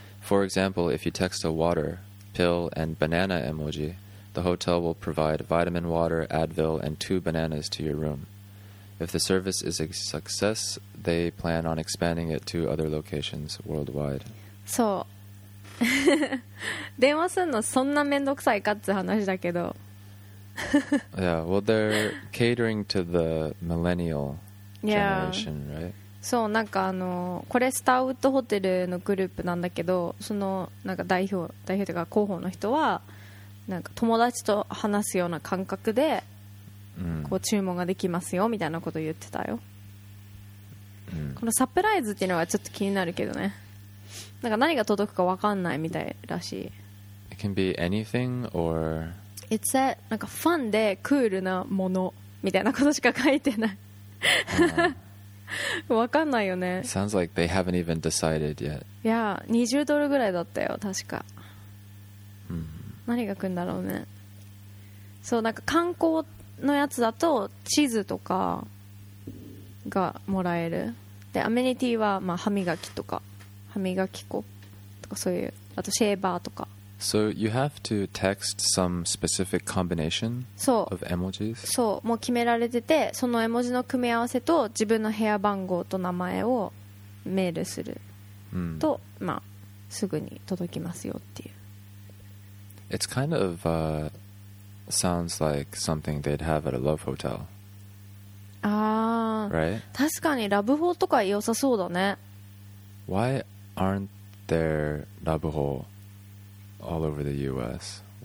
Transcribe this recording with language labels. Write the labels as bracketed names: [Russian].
[English] For example, if you text a water, pill, and banana emoji, the hotel will provide vitamin water, Advil, and 2 bananas to your room. If the service is a success, they plan on expanding it to other locations worldwide. [Japanese] So, 電話すんのそんなめんどくさいかって話だけど。 [English] Yeah, well, they're catering to the millennial generation, yeah. right? [Japanese] そう、なんかあのこれスターウッドホテルのグループなんだけど、そのなんか代表というか広報の人はなんか友達と話すような感覚で、 mm. こう注文ができますよみたいなこと言ってたよ。 Mm. このサプライズっていうのはちょっと気になるけどね。なんか何が届くか分かんないみたいらしい。 [English] It can be anything or It's a [Japanese] なんかファンでクールなものみたいなことしか書いてない。分かんないよね。 [English] Sounds like they haven't even decided yet. [Japanese] Yeah, $20ぐらいだったよ確か。何が来るんだろうね。そう、なんか観光のやつだと地図とかがもらえる。でアメニティはまあ歯磨きとか歯磨き粉とかそういう、あとシェーバーとか。 [English] So you have to text some specific combination of emojis? [Japanese] そう、もう決められてて、その絵文字の組み合わせと自分の部屋番号と名前をメールすると、まあ、すぐに届きますよっていう。 [English] It's kind of sounds like something they'd have at a love hotel. ああ、 right? [Japanese] 確かにラブホとか良さそうだね。 [English] WhyAren't there love hole all over the U.S.?